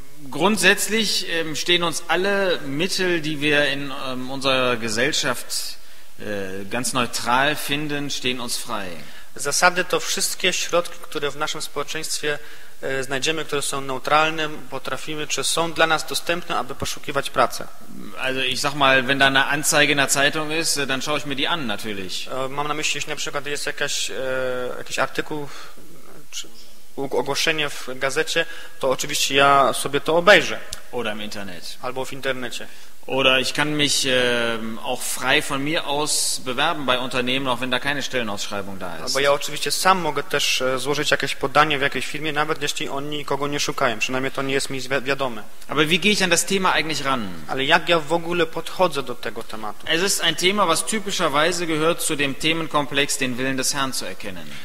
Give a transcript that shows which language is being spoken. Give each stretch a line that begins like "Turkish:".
German: Grundsätzlich stehen uns alle Mittel, die wir in unserer Gesellschaft ganz neutral finden, stehen uns frei.
Polish: Zasady to wszystkie środki, które w naszym społeczeństwie znajdziemy, które są neutralne, potrafimy, czy są dla nas dostępne, aby poszukiwać pracy.
German: Also ich sag mal, wenn da eine Anzeige in der Zeitung ist, dann schaue ich mir die an natürlich.
Polish: Mam na myśli, jeśli na przykład jest jakiś artykuł, czy ogłoszenie w gazecie, to oczywiście ja sobie to obejrzę.
German: Oder im Internet.
Polish: Albo w internecie.
German: Oder ich kann mich auch frei von mir aus bewerben bei Unternehmen, auch wenn da keine Stellenausschreibung da ist.
Polish: Bo ja oczywiście sam mogę też złożyć jakieś podanie w jakiejś firmie, nawet jeśli oni kogo nie szukają, przynajmniej to nie jest mi wiadome.
German: Aber wie gehe ich an das Thema eigentlich ran?
Polish: Ale jak ja w ogóle podchodzę do tego tematu?
German: Es ist ein Thema, was typischerweise gehört zu dem Themenkomplex, den Willen des Herrn zu erkennen.